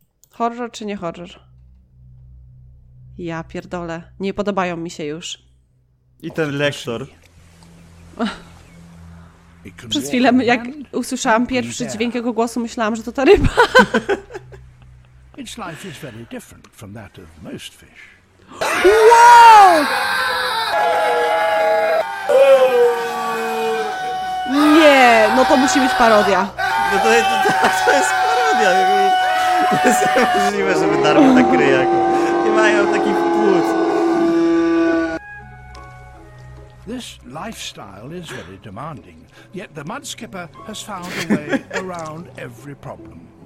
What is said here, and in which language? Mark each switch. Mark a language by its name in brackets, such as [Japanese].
[Polish] Horror czy nie horror? Ja pierdolę. Nie podobają mi się już. I ten lektor. Przez chwilę, jak usłyszałam pierwszy dźwięk jego głosu, myślałam, że to ta ryba. [English] Its life is very different from that of most fish. Wow! [Polish] Nie, no to musi być parodia. No to jest parodia. To jest niemożliwe, żeby darmo tak ryjak. Nie mają takich płuc. [English] This lifestyle is very demanding. Yet the mudskipper has found a way around every problem.